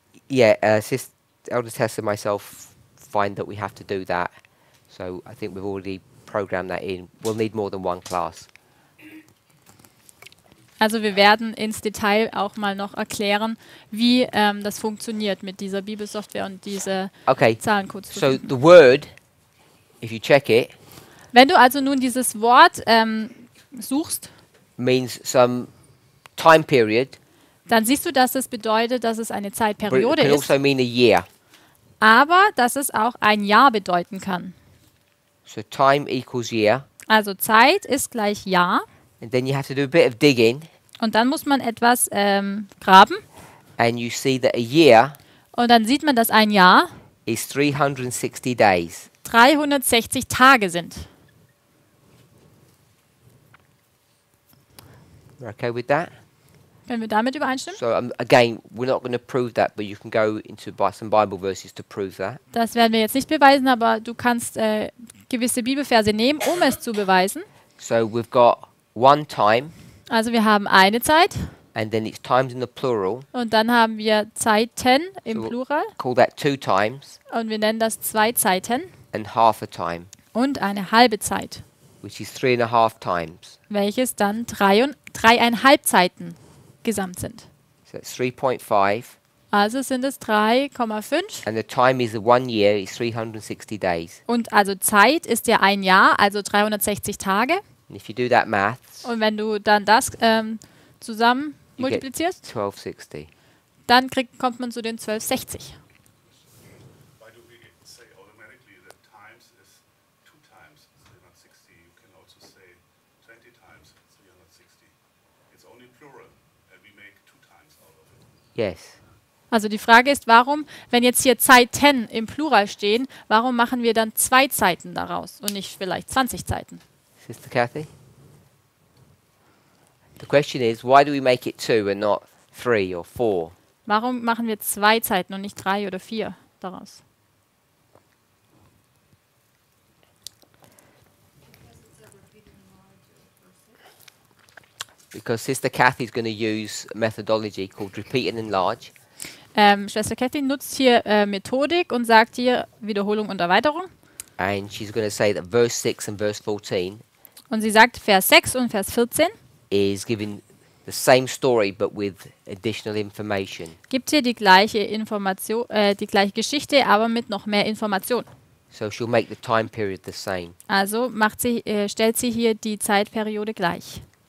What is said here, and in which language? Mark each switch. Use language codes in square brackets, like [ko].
[en] Yeah, Sister Elder Tess and myself find that we have to do that. So I think we've already programmed that in. We'll need more than one class. [de] Also wir werden ins Detail auch mal noch erklären, wie das funktioniert mit dieser Bibelsoftware und diese [en] okay. [de] Zahlencodes. [en] So the word, if you check it, [de] wenn du also nun dieses Wort suchst, [en] means some time period, [de] dann siehst du, dass es bedeutet, dass es eine Zeitperiode [en] it can [de] ist. [en] Also mean a year. [de] Aber dass es auch ein Jahr bedeuten kann. [en] So time equals year. [de] Also Zeit ist gleich Jahr. [en] And then you have to do a bit of digging. [de] Und dann muss man etwas graben. [en] And you see that a year. [de] Und dann sieht man, dass ein Jahr [en] is 360 days. [de] 360 Tage sind. [en] We're okay with that? [de] Können wir damit übereinstimmen? [en] So again, we're not going to prove that, but you can go into some Bible verses to prove that. [de] Das werden wir jetzt nicht beweisen, aber du kannst gewisse Bibelverse nehmen, um es zu beweisen. [en] So we've got one time. [de] Also wir haben eine Zeit. [en] And then it's times in the plural. [de] Und dann haben wir Zeiten im Plural. [en] Call that two times. [de] Und wir nennen das zwei Zeiten. [en] And half a time. [de] Und eine halbe Zeit. [en] Which is three and a half times. [de] Welches dann dreieinhalb Zeiten gesamt sind. [en] So it's 3.5. [de] Also sind es 3,5. [en] And the time is one year, it's 360 days. [de] Und also Zeit ist ja ein Jahr, also 360 Tage. [en] And if you do that maths, [de] und wenn du dann das zusammen multiplizierst, [en] 1260. [de] Dann kommt man zu den 1260. [en] Why do we say automatically that times is two times 360? You can also say 20 times 360. It's only plural and we make two times out of it. Yes. [de] Also die Frage ist, warum, wenn jetzt hier Zeiten im Plural stehen, warum machen wir dann zwei Zeiten daraus und nicht vielleicht 20 Zeiten? [en] Sister Kathy? The question is, why do we make it two and not three or four? [de] Warum machen wir zwei Zeiten und nicht drei oder vier daraus? [en] because Sister Kathy is going to use a methodology called repeat and enlarge. [de] Schwester Kathy nutzt hier Methodik und sagt hier Wiederholung und Erweiterung. [en] And she's going to say that verse 6 and verse 14. [de] Und sie sagt Vers 6 und Vers 14. [en] Is giving the same story but with additional information. [de] Gibt hier die gleiche Information, die gleiche Geschichte, aber mit noch mehr Information. [en] So she'll make the time period the same. [de] Also macht sie, stellt sie hier die Zeitperiode gleich.